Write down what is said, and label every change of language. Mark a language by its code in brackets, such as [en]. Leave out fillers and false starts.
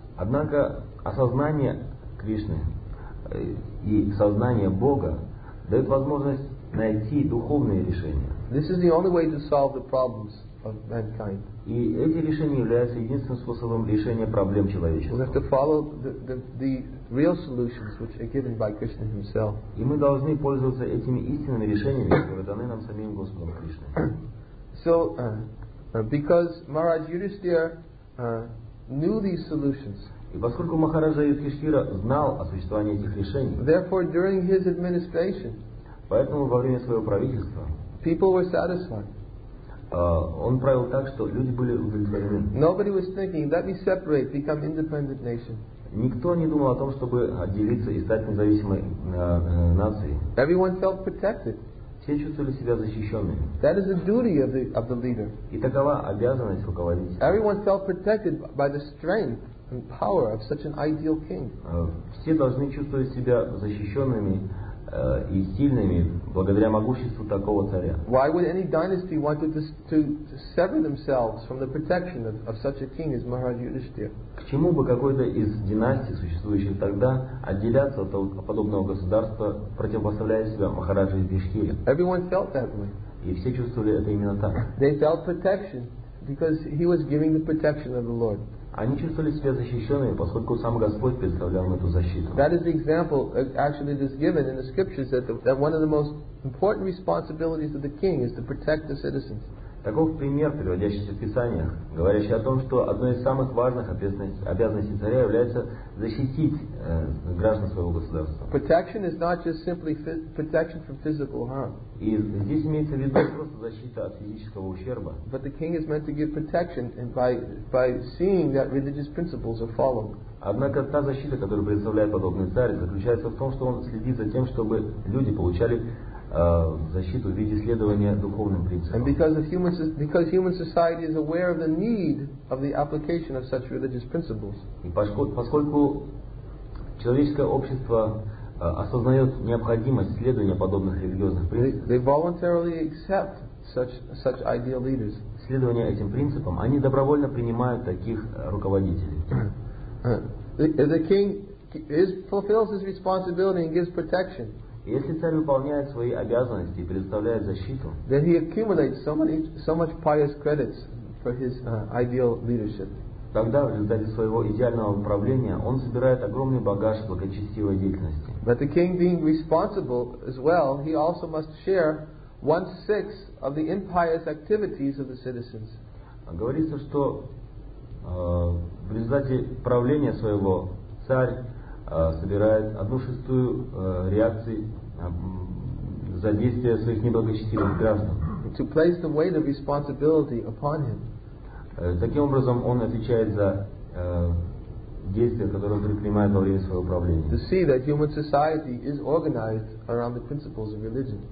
[ru] Однако осознание Кришны и сознание Бога дает возможность найти духовные решения. [en] This is the only way to solve the problems of mankind. [ru] И эти решения являются единственным способом решения проблем человечества. [en] We have to follow the real solutions which are given by Krishna himself. [ru] И мы должны пользоваться этими истинными решениями, которые даны нам самим Господом Кришной. [en] So, because Maharaj Yudhisthira knew these solutions. [ru] И поскольку Махараджа Юдхиштхира знал о существовании этих решений, [en] therefore, during his administration, [ru] поэтому во время своего правительства [en] people were satisfied. [ru] Он правил так, что люди были удовлетворены. [en] Nobody was thinking, let me separate, become independent nation. [ru] Никто не думал о том, чтобы отделиться и стать независимой нацией. [en] Everyone felt protected. [ru] Все чувствовали себя защищенными. [en] That is the duty of the leader. [ru] И такова обязанность руководителя. [en] Everyone felt protected by the strength and power of such an ideal king. [ru] Все должны чувствовать себя защищенными и сильными благодаря могуществу такого царя. [en] Why would any dynasty want to sever themselves from the protection of such a king as Maharaj Yudhishthira? [ru] К чему бы какой-то из династий, существующих тогда, отделяться от подобного государства, противопоставляя себя Махараджи Юдхиштхире? [en] Everyone felt that way. [ru] И все чувствовали это именно так. [en] They felt protection because he was giving the protection of the Lord. [ru] Они чувствовали себя защищенными, поскольку сам Господь представлял эту защиту. [en] That is the example, actually, that is given in the scriptures that one of the most important responsibilities of the king is to protect the citizens. [ru] Таков пример, приводящийся в Писаниях, говорящий о том, что одной из самых важных обязанностей царя является защитить граждан своего государства. [en] Protection is not just simply protection from physical harm. [ru] И здесь имеется в виду не просто защита от физического ущерба. [en] But the king is meant to give protection by seeing that religious principles are followed. [ru] Однако та защита, которую представляет подобный царь, заключается в том, что он следит за тем, чтобы люди получали защиту в виде следования духовным принципам. [en] And because human society is aware of the need of the application of such religious principles. [ru] И поскольку человеческое общество осознает необходимость следования подобных религиозных принципов, [en] they voluntarily accept such ideal leaders. [ru] Следование этим принципам, они добровольно принимают таких руководителей. [en] The king fulfills his responsibility and gives protection. [ru] Если царь выполняет свои обязанности и предоставляет защиту, [en] then he accumulates so much pious credits for his ideal leadership. [ru] Тогда в результате своего идеального управления он собирает огромный багаж благочестивой деятельности. [en] But the king being responsible as well, he also must share 1/6 of the impious activities of the citizens. [ru] Говорится, что в результате правления своего царь собирает 1/6 реакции за действия своих неблагочестивых граждан. [en] To place the weight of responsibility upon him. [ru] Таким образом, он отвечает за действия, которые он предпринимает во время своего правления. [en] To see that human society is organized around the principles of religion.